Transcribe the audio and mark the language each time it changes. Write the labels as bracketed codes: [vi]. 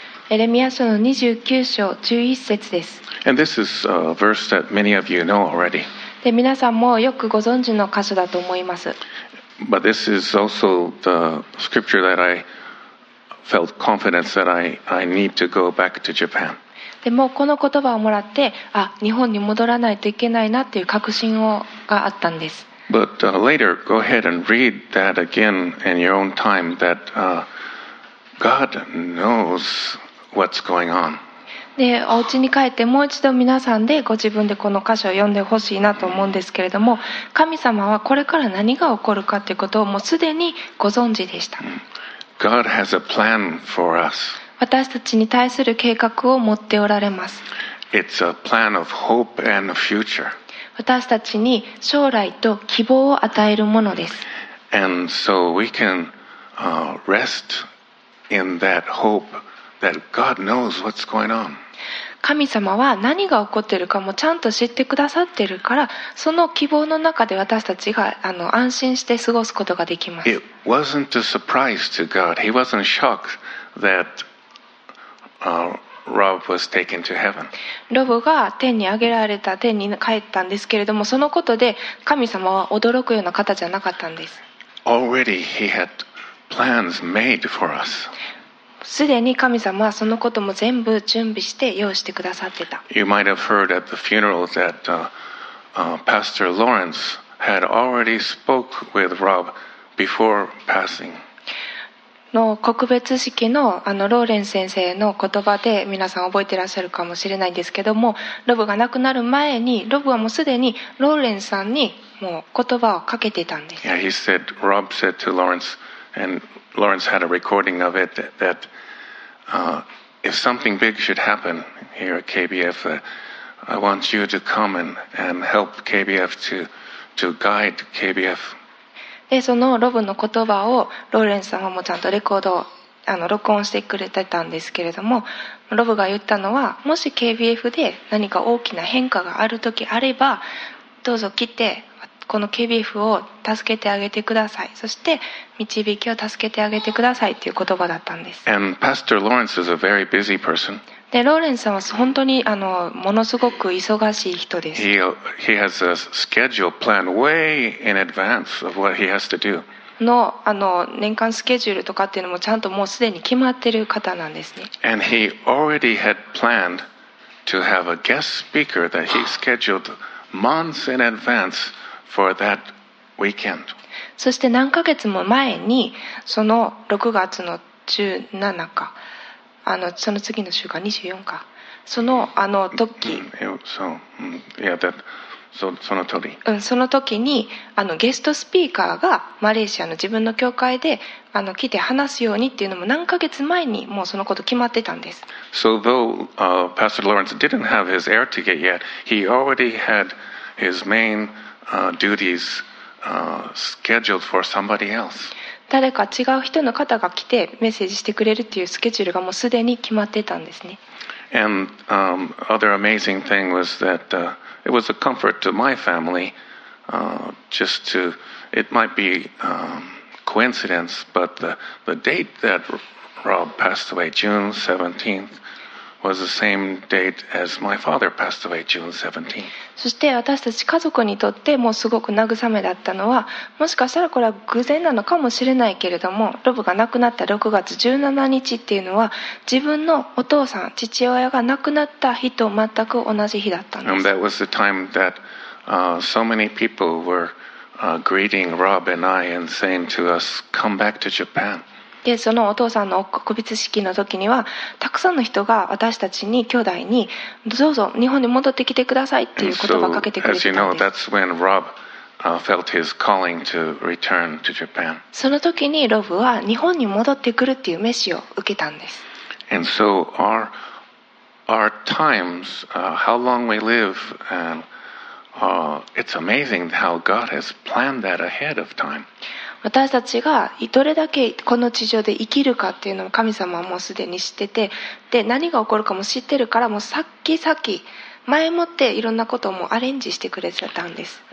[ja] エレミア書の29章11節です。 [en] And this is a verse that many of you know already. [ja] で、皆さんもよくご存知の箇所だと思います。 [en] But this is also the scripture that I felt confidence that I need to go back to Japan. [ja] でもこの言葉をもらって、あ、日本に戻らないといけないなっていう確信があったんです。 [en] But later, go ahead and read that again in your own time that God knows what's going on. [ja] で、お家に帰ってもう一度皆さんでご自分でこの箇所を読んでほしいなと思うんですけれども、神様はこれから何が起こるかということをもうすでにご存知でした。 [en] God has a plan for us. [ja] 私たちに対する計画を持っておられます。 [en] It's a plan of hope and future. [ja] 私たちに将来と希望を与えるものです。 [en] And so we can restIn that hope that God knows what's going on. [ja] 神様は何が起こっているかもちゃんと知ってくださっているから、その希望の中で私たちが安心して過ごすことができます。 [en] It wasn't a surprise to God. He wasn't shocked that Rob was taken to heaven. [ja] ロブが天に上げられた、天に帰ったんですけれども、そのことで神様は驚くような方じゃなかったんです。 [en] Already he hadPlans made for us. [ja] すでに神様はそのことも全部準備して用意してくださってた。 [en] You might have heard at the funeral that Pastor Lawrence had already spoke with Rob before passing. [ja] の告別式のローレン先生の言葉で皆さん覚えてらっしゃるかもしれないんですけども、ロブが亡くなる前にロブはもうすでにローレンさんにもう言葉をかけてたんです。 [en] Yeah, he said. Rob said to Lawrence. And Lawrence had a recording of it that if something big should happen here at KBF, I want you to come and help KBF to guide KBF. [ja] で、そのロブの言葉をローレンスさんもちゃんとレコードを録音してくれてたんですけれども、ロブが言ったのは、もし KBF で何か大きな変化があるときあれば、どうぞ来て、この KBF を助けてあげてください、そして導きを助けてあげてくださいという言葉だったんです。 [en] And Pastor Lawrence is a very busy person. [ja] でローレンさんは本当にものすごく忙しい人です。 [en] He has a schedule planned way in advance of what he has to do. [ja] の年間スケジュールとかっていうのもちゃんともうすでに決まってる方なんですね。 [en] And he already had planned to have a guest speaker that he scheduled months in advanceFor that weekend. [ja] そして何ヶ月も前にその6月の17日、その次の週か24日その、 あの時、そう、いや、その通り、うん、その時にあのゲストスピーカーがマレーシアの自分の教会であの来て話すようにっていうのも何ヶ月前にもうそのこと決まってたんです。 [en] So though、Pastor Lawrence didn't have his air ticket yet, he already had his main、duties、scheduled for somebody else. [ja] 誰か違う人の方が来てメッセージしてくれるっていうスケジュールがもうすでに決まってたんですね。 [en] And、other amazing thing was that、it was a comfort to my family、just to it might be、coincidence but the date that Rob passed away June 17th was the same date as my father passed away June 17th。 [ja] そして私たち家族にとってもうすごく慰めだったのはもしかしたらこれは偶然なのかもしれないけれどもロブが亡くなった6月17日っていうのは自分のお父さん父親が亡くなった日と全く同じ日だったんです。 [en] And that was the time that、so many people were、greeting Rob and I and saying to us come back to Japan。 [ja] でそのお父さんの告別式の時にはたくさんの人が私たちに兄弟にどうぞ日本に戻ってきてくださいっていう言葉をかけてくれたんです。 [en] As you know, that's when Rob felt his calling to return to Japan. [ja] その時にロブは日本に戻ってくるっていうメッセージを受けたんです。 [en] And so our times、how long we live and、it's amazing how God has planned that ahead of time。 [ja] 私たちがどれだけこの地上で生きるかっていうのを神様はもうすでに知ってて、で何が起こるかも知ってるからもうさっきさっき前もっていろんなこともアレンジしてくれてたんです。